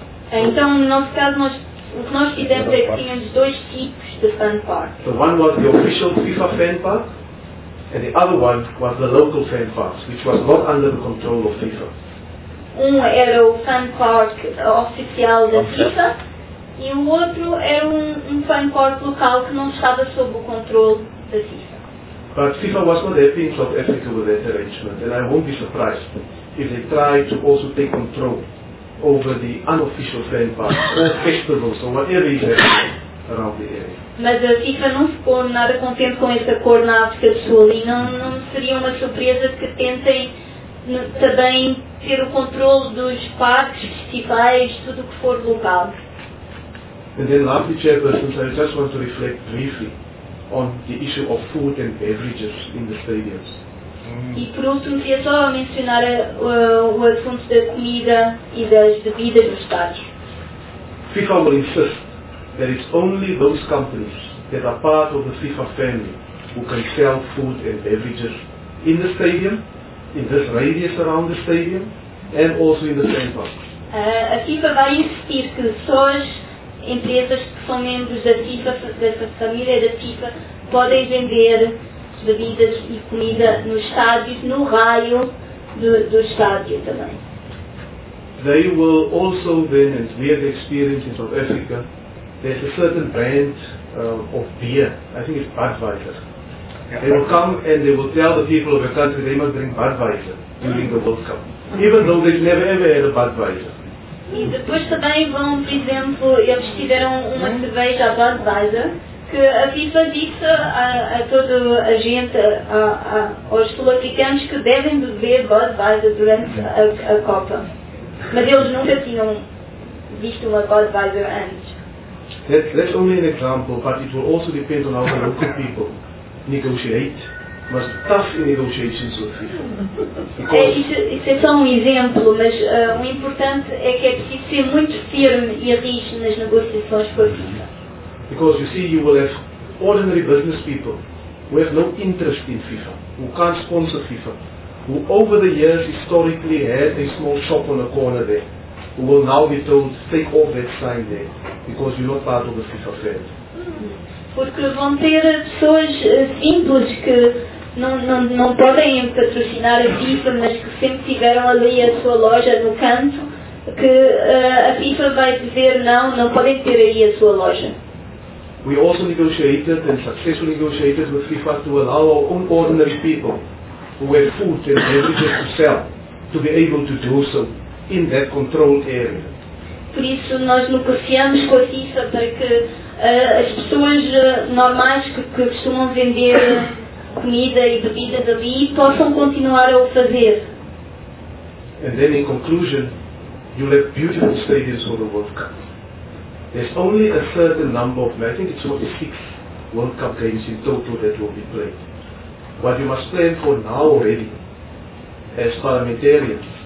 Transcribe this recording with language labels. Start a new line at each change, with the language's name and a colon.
Portuguese: Então, no nosso caso, o que nós fizemos é que tínhamos dois tipos de fan park.
English: The one was the official FIFA fan park, and the other one was the local fan park, which was not under the control of FIFA.
Portuguese: Um era o fan park oficial da FIFA, e o outro era um fan park local que não estava sob o controle da FIFA.
English: But FIFA was not happy in South Africa with that arrangement, and I won't be surprised if they tried to also take control over the unofficial fan park, festivals or whatever is happening around the area.
Portuguese: Mas a FIFA não ficou nada contente com este acordo na África do Sul e não seria uma surpresa que tentem também ter o controle dos parques, festivais, tudo o que for local.
English: And then lastly, Chairperson, I just want to reflect briefly on the issue of food and beverages in the stadiums.
Portuguese: E por último, queria só mencionar o assunto da comida e das bebidas no estádio.
English: FIFA will insist that it's only those companies that are part of the FIFA family who can sell food and beverages in the stadium, in this radius around the stadium, and also in the fan park.
Portuguese: A FIFA vai insistir que só as empresas que são membros da FIFA, dessa família da FIFA, podem vender bebidas e comida no estádio, no raio do estádio também.
English: They will also then, as we have experienced in South Africa, there's a certain brand of beer, I think it's Budweiser. They will come and they will tell the people of the country they must drink Budweiser during the World Cup, even though they've never ever had a Budweiser.
Portuguese: E depois também vão, por exemplo, eles tiveram uma cerveja Budweiser, que a FIFA disse a toda a gente, aos sul-africanos, que devem beber Budweiser durante a Copa. Mas eles nunca tinham visto uma Budweiser antes.
English: That's only an example, but it will also depend on how the local people negotiate. Must be tough in negotiations with FIFA.
Portuguese: Isso é só um exemplo, mas o importante é que é preciso ser muito firme e rígido nas negociações com a FIFA.
English: Because you see, you will have ordinary business people who have no interest in FIFA, who can't sponsor FIFA, who over the years historically had a small shop on the corner there, who will now be told, take off that sign there, because you're not part of the FIFA family.
Portuguese: Porque vão ter pessoas simples que não podem patrocinar a FIFA, mas que sempre tiveram ali a sua loja no canto, que a FIFA vai dizer não podem ter aí a sua loja.
English: We also negotiated and successfully negotiated with FIFA to allow our own ordinary people who have food and beverages to sell to be able to do so in that controlled area.
Portuguese: Por isso nós negociamos com a FIFA para que as pessoas normais que costumam vender comida e bebidas ali possam continuar a o fazer.
English: And then in conclusion, you have beautiful stadiums for the World Cup. There's only a certain number of, I think it's 46 World Cup games in total that will be played. What you must plan for now already, as parliamentarians,